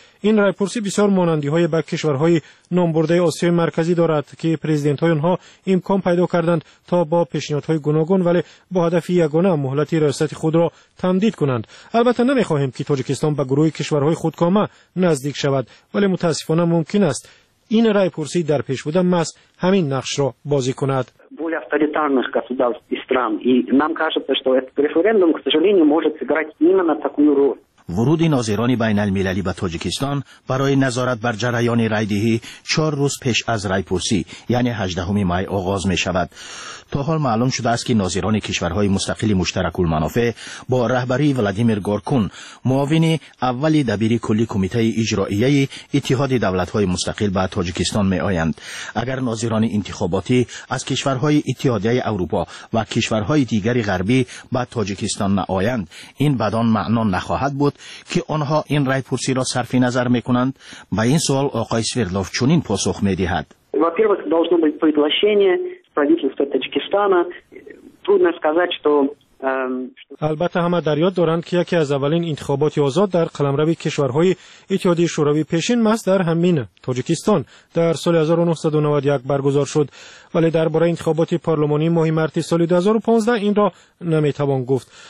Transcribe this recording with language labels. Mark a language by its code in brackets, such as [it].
[fa] این رای پرسی بسیار مانندی های به کشورهای نامبرده آسیای مرکزی دارد که پرزیدنت های آنها امکان پیدا کردند تا با پیشنهادهای گوناگون ولی با هدف یگانه مهلت ریاست خود را تمدید کنند. البته نمی خواهیم که تاجیکستان به گروه کشورهای خودکامه نزدیک شود، ولی متاسفانه ممکن است این رای پرسی در پیش بوده محض همین نقش را بازی کند. [ru] авторитарных государств и стран. И нам кажется, что этот референдум, к сожалению, может сыграть именно такую роль. [fa] ورود ناظران بین المللی به تاجیکستان برای نظارت بر جریان رای‌دهی 4 روز پیش از رای‌پرسی یعنی 18 می آغاز می شود. تا حال معلوم شده است که ناظران کشورهای مستقل مشترک المنافع با رهبری ولادیمیر گورکون، معاون اول دبیر کلی کمیته اجرائیه اتحاد دولت‌های مستقل به تاجیکستان می آیند. اگر ناظران انتخاباتی از کشورهای اتحادیه اروپا و کشورهای دیگر غربی به تاجیکستان نآیند، این بدان معنا نخواهد بود که آنها این رای پرسی را صرف نظر میکنند. با این سوال آقای سویردلوف چنین پاسخ میدهد. [ru] во-первых, должно быть приглашение правительства Таджикистана. Трудно сказать, что [fa] البته همه در یاد دارند که یکی از اولین انتخابات آزاد در قلمرو کشورهای اتحادیه شوروی پیشین محض در همین تاجیکستان در سال 1991 برگزار شد، ولی درباره انتخابات پارلمانی ماه مارس سال 2015 این را نمیتوان گفت.